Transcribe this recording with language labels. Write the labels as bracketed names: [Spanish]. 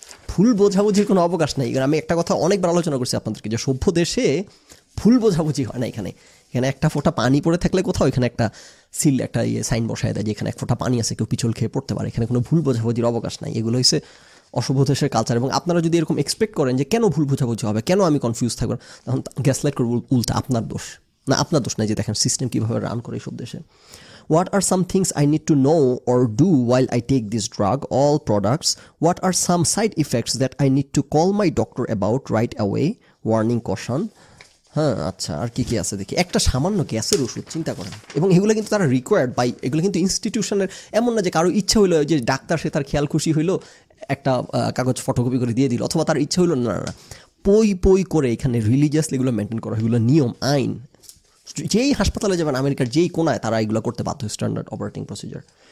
[Bangla] ভুল বোঝাবুঝির কোনো অবকাশ নেই, আমি একটা কথা অনেকবার আলোচনা করছি আপনাদেরকে, যে সভ্য দেশে ভুল বোঝাবুঝি হয় না, এখানে একটা ফোঁটা পানি পড়ে থাকলে কোথাও এখানে একটা সিল, একটা ইয়ে সাইন বসায় দেয় যে এখানে এক ফোঁটা পানি আছে, কেউ পিছল খেয়ে পড়তে পারে, এখানে কোনো ভুল বোঝাবুঝির অবকাশ নাই, এগুলো হয়েছে অসভ্য দেশের কালচার। এবং আপনারা যদি এরকম এক্সপেক্ট করেন যে কেন ভুল বোঝাবুঝি হবে, কেন আমি কনফিউজ থাকবো, তখন গ্যাসলাইট করবো, উল্টা আপনার দোষ, না আপনার দোষ নাই যে দেখেন সিস্টেম কীভাবে রান করে এই সব দেশে। [English] What are some things I need to know or do while I take this drug, all products? What are some side effects that I need to call my doctor about right away? Warning, caution. [Bangla] হ্যাঁ আচ্ছা, আর কী কী আছে দেখি, একটা সামান্য গ্যাসের ওষুধ, চিন্তা করেন। এবং এগুলো কিন্তু তারা রিকোয়ার্ড বাই, এগুলো কিন্তু ইনস্টিটিউশনের, এমন না যে কারো ইচ্ছা হইলো যে ডাক্তার সে তার খেয়াল খুশি হইলো একটা কাগজ ফটোকপি করে দিয়ে দিল, অথবা তার ইচ্ছা হইলো, না না না, পই পই করে এখানে রিলিজিয়াসলি এগুলো মেনটেন করা, এগুলো নিয়ম আইন, যেই হাসপাতালে যাবেন আমেরিকার যেই কোনায় তারা এগুলো করতে বাধ্য, স্ট্যান্ডার্ড অপারেটিং প্রসিজার।